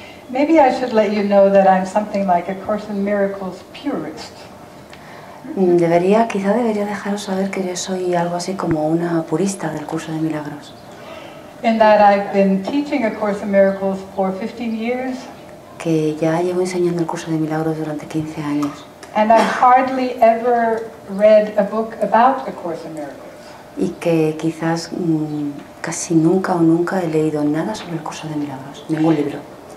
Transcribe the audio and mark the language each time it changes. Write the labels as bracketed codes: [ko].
[en] Maybe I should let you know that I'm something like a Course in Miracles purist. [es] Quizá debería dejaros saber que yo soy algo así como una purista del curso de milagros. [en] In that I've been teaching a Course in Miracles for 15 years. [es] Que ya llevo enseñando el curso de milagros durante 15 años. [en] And I've hardly ever read a book about a Course in Miracles. [es] Y que quizás casi nunca o nunca he leído nada sobre el curso de milagros, ningún libro.